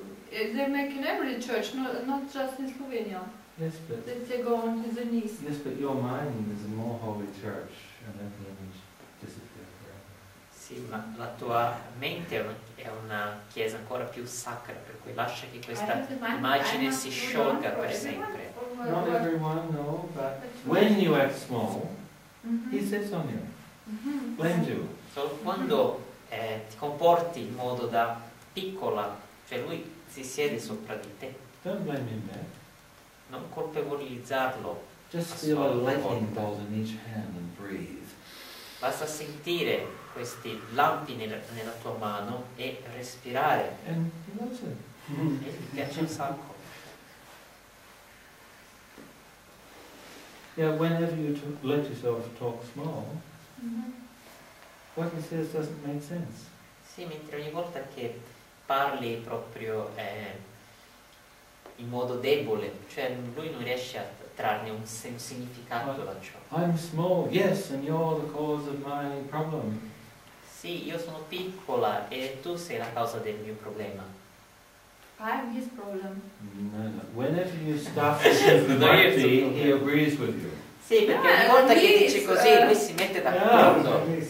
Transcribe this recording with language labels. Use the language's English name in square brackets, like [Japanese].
[English] They make in every church, not just in Slovenia. Yes, but they go on to the knees. Yes, but your mind is a more holy church, and then the image disappears forever. [Italian] Sì, ma la tua mente è una chiesa ancora più sacra, per cui lascia che questa immagine si sciolga per sempre. [English] Not everyone, no, but when you act small. Mm-hmm. He sits on you. Mm-hmm. Blend you. [Italian] So quando ti comporti in modo da piccola, cioè lui si siede sopra di te. [English] Don't blame him back. [Italian] Non colpevolizzarlo. [English] Just feel a lightning bolt in each hand and breathe. [Italian] Basta sentire questi lampi nella tua mano e respirare. [English] And he loves it. [Italian] E ti piace un sacco. [English] Yeah, whenever you let yourself talk small, what he says doesn't make sense. [Italian] Sì, mentre ogni volta che parli proprio in modo debole, cioè lui non riesce a trarne un significato da ciò. [English] I'm small, yes, and you're the cause of my problem. [Italian] Sì, io sono piccola e tu sei la causa del mio problema. [English] I'm his problem. No. Whenever you start to say Bhakti, he agrees with you. [Italian] Sì, perché ogni volta che dici così, lui si mette d'accordo.